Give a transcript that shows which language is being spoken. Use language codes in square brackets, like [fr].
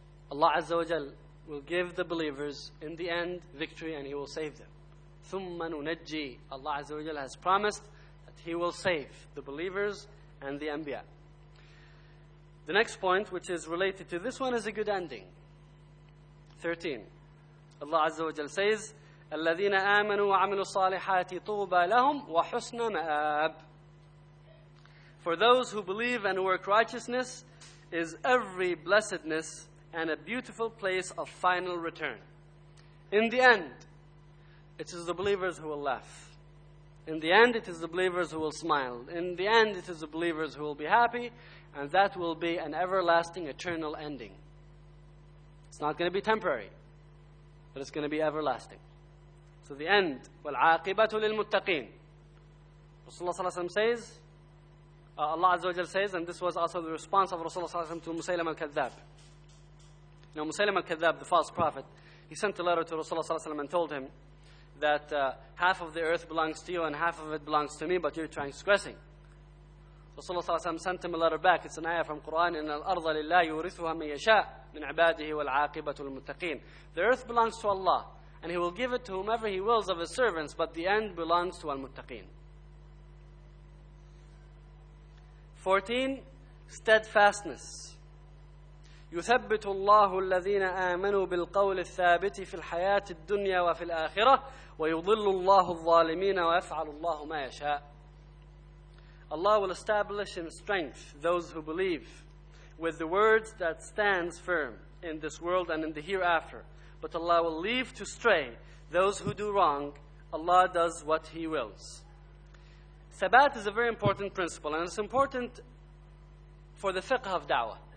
[en] Allah Azza wa Jal will give the believers, in the end, victory, and He will save them. [ar] ثُمَّ نُنَجِّي. [en] Allah Azza wa Jal has promised that He will save the believers and the Anbiya. The next point, which is related to this one, is a good ending. 13. Allah Azza wa Jalla says, [ar] الَّذِينَ آمَنُوا وَعَمِلُوا الصَّالِحَاتِ طُوبَى لَهُمْ وَحُسْنَ مَآبٍ. [en] For those who believe and work righteousness is every blessedness and a beautiful place of final return. In the end, it is the believers who will laugh. In the end, it is the believers who will smile. In the end, it is the believers who will be happy, and that will be an everlasting, eternal ending. It's not going to be temporary, but it's going to be everlasting. So the end, [ar] وَالْعَاقِبَةُ لِلْمُتَّقِينَ. [en] Rasulullah sallallahu alayhi wa sallam says, Allah azza wa jal says, and this was also the response of Rasulullah sallallahu alayhi wa sallam to Musaylam al-Kadhab. Now Musaylam al-Kadhab, the false prophet, he sent a letter to Rasulullah sallallahu alayhi wa sallam and told him that half of the earth belongs to you and half of it belongs to me, but you're transgressing. Rasulullah sallallahu alayhi wa sallam sent him a letter back. It's an ayah from Quran, [ar] إِنَّ الْأَرْضَ لِلَّهِ يُورِثُهَا مَنْ يَشَاءُ مِنْ عِبَادِهِ وَالْعَاقِبَةُ الْمُتَّقِينَ. [en] The earth belongs to Allah, and He will give it to whomever He wills of His servants, but the end belongs to al-muttaqeen. 14, steadfastness. [ar] يثبت الله الذين آمنوا بالقول الثابت في الحياة الدنيا وفي الآخرة ويضل الله الظالمين ويفعل الله ما يشاء. [en] Allah will establish in strength those who believe with the words that stands firm in this world and in the hereafter. But Allah will leave to stray those who do wrong. Allah does what He wills. Thabat is a very important principle, and it's important for the fiqh of da'wah.